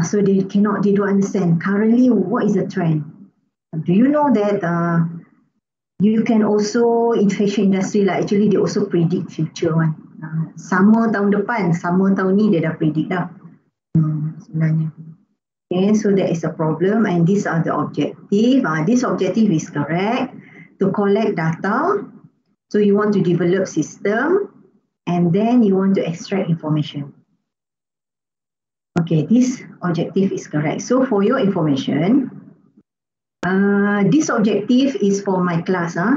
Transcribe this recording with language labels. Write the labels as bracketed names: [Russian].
[English] So, they don't understand. Currently, what is the trend? Do you know that you can also, in fashion industry lah, actually they also predict future one. [Malay] Sama tahun depan, sama tahun ni dia dah predict dah. Sebenarnya. [English] Okay, so that is a problem and these are the objective. This objective is correct. To collect data, so you want to develop system and then you want to extract information. Okay, this objective is correct. So for your information, this objective is for my class.